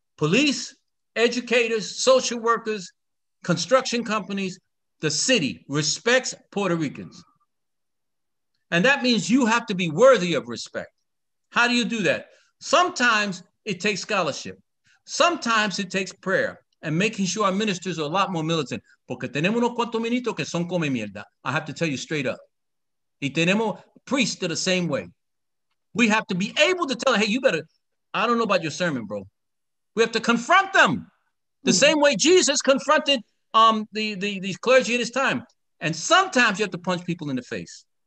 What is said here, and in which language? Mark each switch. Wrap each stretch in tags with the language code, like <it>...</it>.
<en>Police, educators, social workers, construction companies, the city respects Puerto Ricans. And that means you have to be worthy of respect. How do you do that? Sometimes it takes scholarship. Sometimes it takes prayer and making sure our ministers are a lot more militant.</en> <es>Porque tenemos unos cuantos ministros que son come mierda.</es> <en>I have to tell you straight up.</en> <es>Y tenemos</es> <en>priests the same way. We have to be able to tell, hey, you better, I don't know about your sermon, bro. We have to confront them the same way Jesus confronted the clergy at his time. And sometimes you have to punch people in the face.</en>